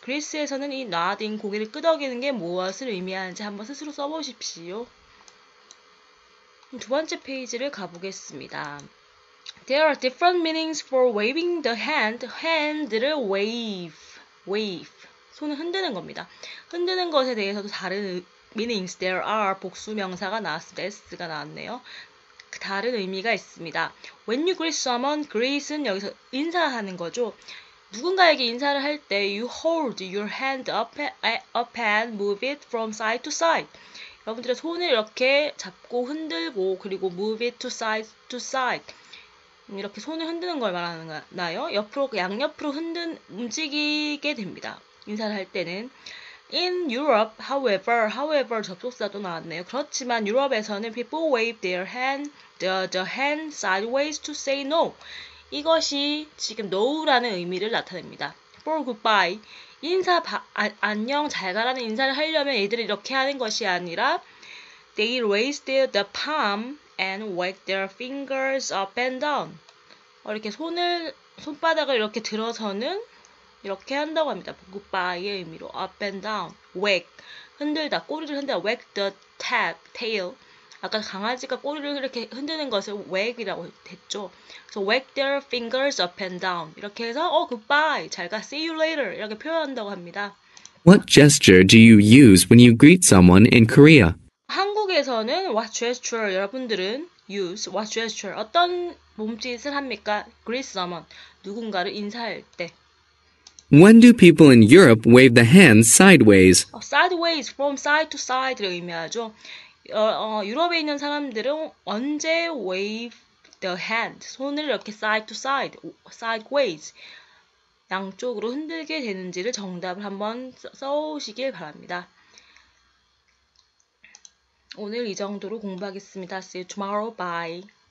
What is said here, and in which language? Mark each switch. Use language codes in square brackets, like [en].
[ko] 그리스에서는 이 nodding, 고개를 끄덕이는 게 무엇을 의미하는지 한번 스스로 써보십시오. 두 번째 페이지를 가보겠습니다. [en] There are different meanings for waving the hand. [ko] Hand를 wave. 손을 흔드는 겁니다. 흔드는 것에 대해서도 다른 meanings, [en] there are, [ko] 복수 명사가 나왔습니다. s가 나왔네요. 다른 의미가 있습니다. [en] When you greet someone, [ko] greet은 여기서 인사하는 거죠. 누군가에게 인사를 할 때, [en] you hold your hand up and move it from side to side. [ko] 여러분들의 손을 이렇게 잡고 흔들고, 그리고 [en] move it to side to side. [ko] 이렇게 손을 흔드는 걸 말하는가요? 옆으로, 양옆으로 움직이게 됩니다. 인사를 할 때는. [en] In Europe, however, [ko] 접속사도 나왔네요. 그렇지만 유럽에서는 [en] people wave the hand sideways to say no. [ko] 이것이 지금 no라는 의미를 나타냅니다. [en] For goodbye, [ko] 안녕, 잘 가라는 인사를 하려면 애들이 이렇게 하는 것이 아니라 [en] they raise the palm and wag their fingers up and down. [ko] 이렇게 손바닥을 이렇게 들어서는 이렇게 한다고 합니다. [en] Goodbye의 의미로 up and down, wag, [ko] 흔들다, 꼬리를 흔들다, [en] wag the tail. [ko] 아까 강아지가 꼬리를 이렇게 흔드는 것을 wag이라고 했죠. 그래서 [en] wag their fingers up and down. [ko] 이렇게 해서 goodbye, 잘 가, [en] see you later [ko] 이렇게 표현한다고 합니다. [en] What gesture do you use when you greet someone in Korea? [ko] 한국에서는 [en] what gesture [ko] 여러분들은 use, what gesture 어떤 몸짓을 합니까? [en] greet someone [ko] 누군가를 인사할 때. [en] When do people in Europe wave the hand sideways? Sideways, from side to side를 [ko] 의미하죠. 유럽에 있는 사람들은 언제 [en] wave the hand, [ko] 손을 이렇게 [en] side to side, sideways, [ko] 양쪽으로 흔들게 되는지를 정답을 한번 써오시길 바랍니다. 오늘 이 정도로 공부하겠습니다. [en] See you tomorrow. Bye.